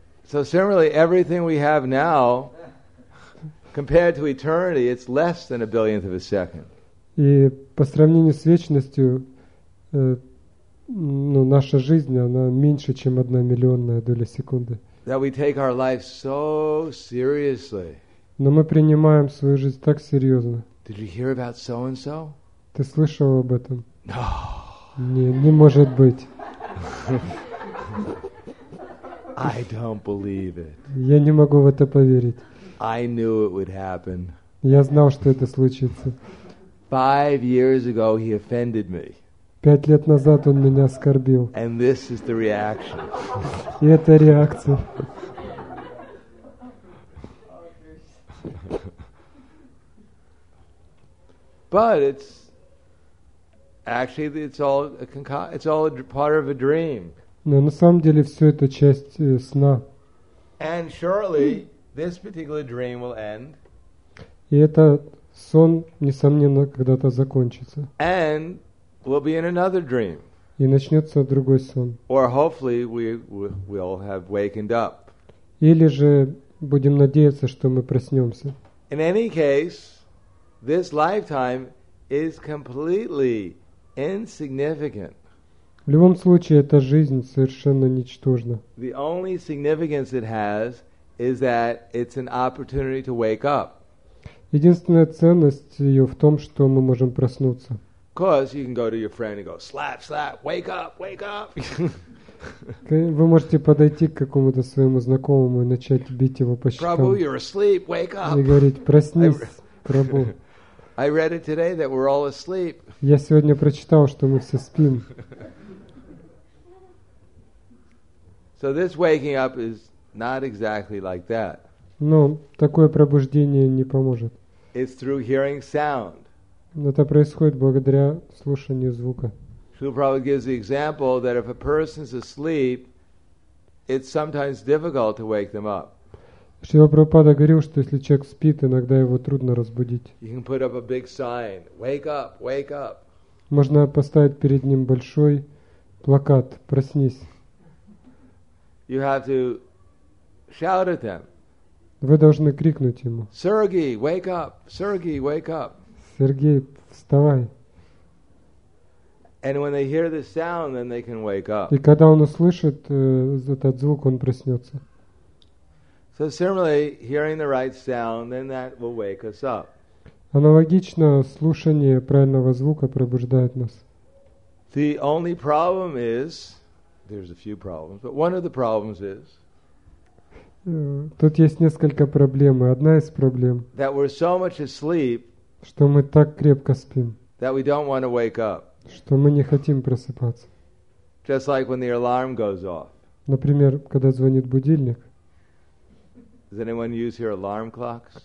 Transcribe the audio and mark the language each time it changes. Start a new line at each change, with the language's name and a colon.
English: So similarly, everything we have now, compared to eternity, it's less than 1 billionth of a second.
Russian: И по сравнению с вечностью, ну, наша жизнь, она меньше, чем 1 миллионная доля секунды.
English: That we take our life so seriously.
Russian: Но мы принимаем свою жизнь так серьезно.
English: Did you hear about so-and-so?
Russian: Ты слышал об этом?
English: No.
Russian: Не может быть.
English: I don't believe it.
Russian: Я не могу в это поверить.
English: I knew it would happen.
Russian: Я знал, что это случится.
English: 5 years ago he offended me.
Russian: 5 лет назад он меня оскорбил.
English: And this is the reaction.
Russian: И это реакция.
English: But it's all part of a dream.
Russian: Но на самом деле все это часть сна.
English: And surely this particular dream will end.
Russian: И этот сон, несомненно, когда-то закончится.
English: And we'll be in another dream.
Russian: И начнется другой сон.
English: Or hopefully we'll have wakened up.
Russian: Или же будем надеяться, что мы проснемся.
English: In any case, this lifetime is completely insignificant.
Russian: В любом случае, эта жизнь совершенно ничтожна.
English: The only significance it has is that it's an opportunity to wake up.
Russian: Единственная ценность ее в том, что мы можем проснуться.
English: Because you can go to your friend and go slap, slap, wake up, wake up.
Russian: Вы можете подойти к какому-то своему знакомому и начать бить его по щекам.
English: Prabhu, you're asleep, wake up.
Russian: И говорить: проснись, Прабу.
English: I read it today that we're all asleep.
Russian: Я сегодня прочитал, что мы все спим.
English: So this waking up is not exactly like that.
Russian: Но такое пробуждение не поможет.
English: It's through hearing sound.
Russian: Это происходит благодаря слушанию звука.
English: Srila Prabhupada gives the example that if a person's asleep, it's sometimes difficult to wake them up.
Russian: Srila Prabhupada говорил, что если человек спит, иногда его трудно разбудить.
English: You can put up a big sign, wake up, wake up.
Russian: Можно поставить перед ним большой плакат: проснись.
English: You have to shout at them.
Russian: Вы должны крикнуть ему.
English: Sergey, wake up! Sergey, wake up!
Russian: Сергей, вставай!
English: And when they hear the sound, then they can wake up.
Russian: И когда он услышит этот звук, он проснется.
English: So similarly, hearing the right sound, then that will wake us up.
Russian: Аналогично, слушание правильного звука пробуждает нас.
English: The only problem is. There's a few problems, but one of the problems is.
Russian: Тут есть несколько проблем, и одна из проблем.
English: That we're so much asleep.
Russian: Что мы так крепко спим.
English: That we don't want to wake up.
Russian: Что мы не хотим просыпаться.
English: Just like when the alarm goes off.
Russian: Например, когда звонит будильник.
English: Does anyone use your alarm clocks?